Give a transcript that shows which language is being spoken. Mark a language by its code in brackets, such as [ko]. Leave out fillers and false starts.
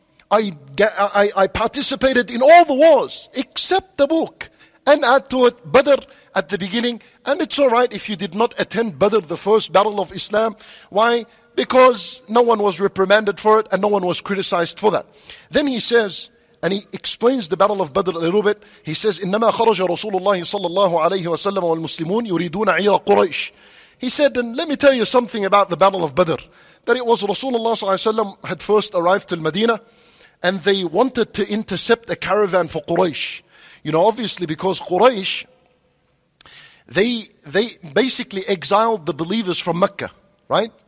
[en] I participated in all the wars except Tabuk. And add to it Badr at the beginning. And it's all right if you did not attend Badr, the first battle of Islam. Why? Because no one was reprimanded for it and no one was criticized for that. Then he says, and he explains the battle of Badr a little bit. He says, [ar] إِنَّمَا خَرَجَ رَسُولُ اللَّهِ صَلَّى اللَّهُ عَلَيْهِ وَسَلَّمَ وَالْمُسْلِمُونَ يُرِيدُونَ عِيرَ قُرَيْشِ. [en] He said, and let me tell you something about the battle of Badr. That it was Rasulullah صلى الله عليه وسلم had first arrived to Medina and they wanted to intercept a caravan for Quraysh. You know, obviously, because Quraysh, they basically exiled the believers from Mecca, right?